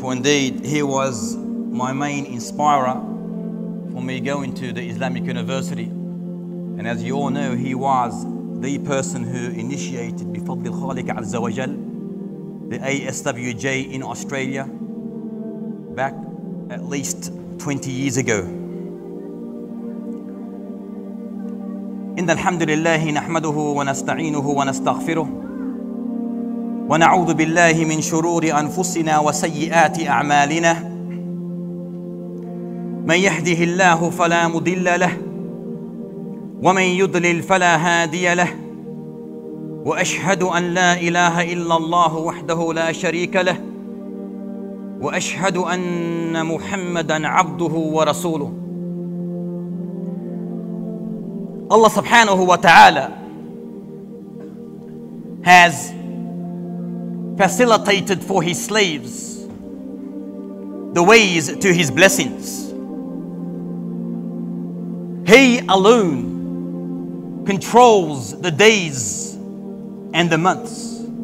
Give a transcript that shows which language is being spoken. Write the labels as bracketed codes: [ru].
[en] For indeed, he was my main inspirer for me going to the Islamic University. And as you all know, he was the person who initiated bifadlil khaliq azza wa jal, the ASWJ in Australia, back at least 20 years ago. [ar] إن الحمد لله نحمده ونستعينه ونستغفره ونعوذ بالله من شرور أنفسنا وسيئات أعمالنا من يهده الله فلا مضل له ومن يضلل فلا هادي له وأشهد أن لا إله إلا الله وحده لا شريك له وأشهد أن محمدًا عبده ورسوله. [en] Allah subhanahu wa ta'ala has facilitated for his slaves the ways to his blessings. He alone controls the days and the months.